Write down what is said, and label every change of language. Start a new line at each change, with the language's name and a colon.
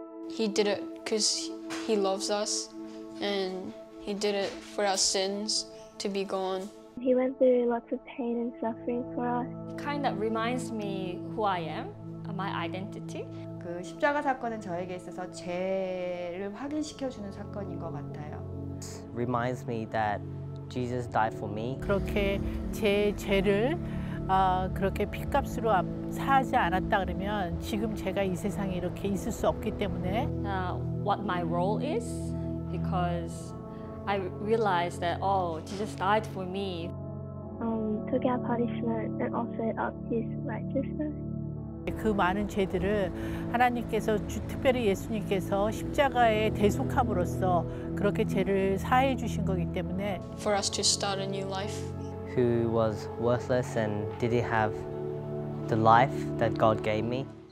English: He did it because he loves us, and he did it for our sins to be gone. He went through lots of pain and suffering for us. Kind of reminds me who I am, my identity.
Korean: 그 십자가 사건은 저에게 있어서 죄를 확인시켜주는 사건인 것 같아요.
English: Reminds me that Jesus died for me.
Korean: 그렇게 제 죄를 그렇게 피값으로 사하지 않았다 그러면 지금 제가 이 세상에 이렇게 있을 수 없기 때문에
English: What my role is, because I realized that, oh, Jesus died for me. Took our punishment and offered up his righteousness.
Korean: 그 많은 죄들을 하나님께서 특별히 예수님께서 십자가에 대속함으로써 그렇게 죄를 사해 주신 거기 때문에
English: For us to start a new life. Who was worthless and didn't have the life that God gave me.